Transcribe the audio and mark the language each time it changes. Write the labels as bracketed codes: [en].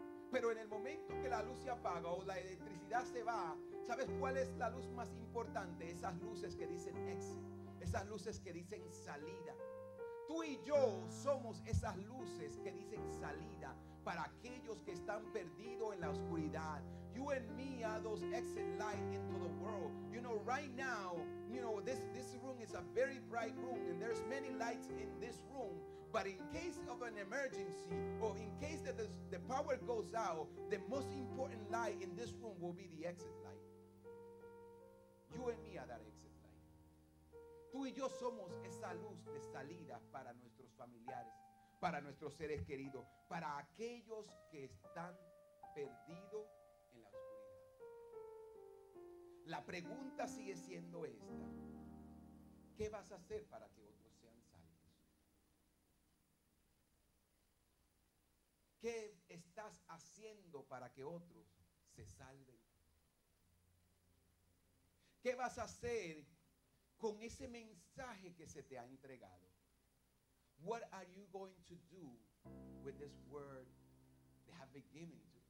[es] Pero en el momento que la luz se apaga o la electricidad se va, ¿sabes cuál es la luz más importante? Esas luces que dicen exit, esas luces que dicen salida. Tú y yo somos esas luces que dicen salida para aquellos que están perdidos en la oscuridad. [en] You and me are those exit light into the world. You know, right now, you know, this room is a very bright room and there's many lights in this room. But in case of an emergency, or in case that the power goes out, the most important light in this room will be the exit light. You and me are that exit light. [es] Tú y yo somos esa luz de salida para nuestros familiares, para nuestros seres queridos, para aquellos que están perdidos en la oscuridad. La pregunta sigue siendo esta: ¿qué vas a hacer para que otros? ¿Qué estás haciendo para que otros se salven? ¿Qué vas a hacer con ese mensaje que se te ha entregado? [en] What are you going to do with this word that has been given to you?